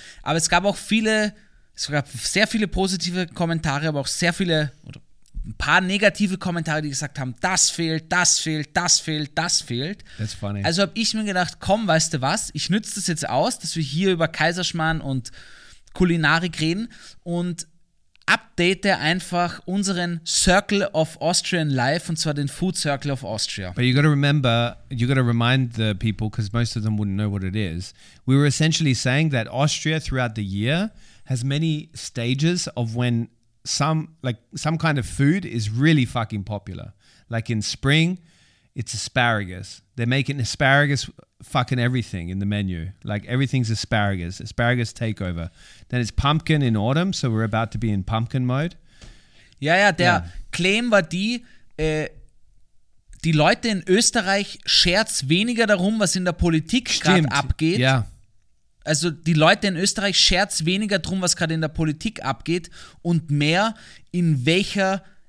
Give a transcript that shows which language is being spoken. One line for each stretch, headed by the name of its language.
German: Aber es gab auch sehr viele positive Kommentare, aber auch sehr viele, oder ein paar negative Kommentare, die gesagt haben, das fehlt, das fehlt, das fehlt, das fehlt.
English: That's funny.
German: Also habe ich mir gedacht, komm, weißt du was, ich nütze das jetzt aus, dass wir hier über Kaiserschmarrn und Kulinarik reden und update einfach unseren Circle of Austrian Life, und zwar den Food Circle of Austria.
English: But you gotta remind the people, because most of them wouldn't know what it is. We were essentially saying that Austria throughout the year has many stages of when some kind of food is really fucking popular. Like in spring, it's asparagus. They're making asparagus fucking everything in the menu. Like everything's asparagus. Asparagus takeover. Then it's pumpkin in autumn, so we're about to be in pumpkin mode.
German: Claim war die Leute in Österreich scherzt weniger darum, was in der Politik gerade abgeht.
English: Yeah.
German: Also die Leute in Österreich scherzen weniger drum, was gerade in der Politik abgeht, und mehr, in welcher